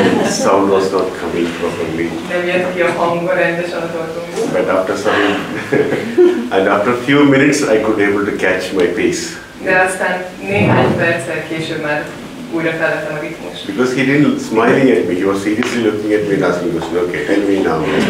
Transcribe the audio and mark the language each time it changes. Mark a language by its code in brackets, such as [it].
[en] Sound was not coming properly. [hu] Nem jött ki a hangba rendesen a tartomból. [en] But after some and after a few minutes, I could able to catch my pace. [hu] De aztán néhány perccel később már. Újra felvettem a ritmust. [en] Because he didn't smiling at me, he was seriously looking at me and asking me, okay, tell me now.